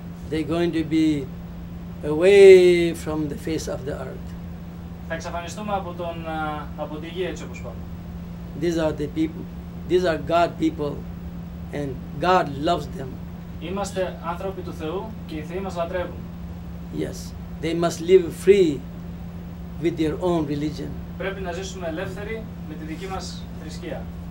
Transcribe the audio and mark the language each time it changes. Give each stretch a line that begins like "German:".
English: They're going to be away from the face of the earth.
Greek: Θα εξαφανιστούμε από τη γη έτσι όπως πάμε.
English: These are the people. These are God people, and God loves them.
Greek: Είμαστε άνθρωποι του Θεού και οι Θεοί μας λατρεύουν.
English: Yes, they must live free with their own religion.
Greek: Πρέπει να ζήσουμε ελεύθεροι με τη δική μας θρησκεία.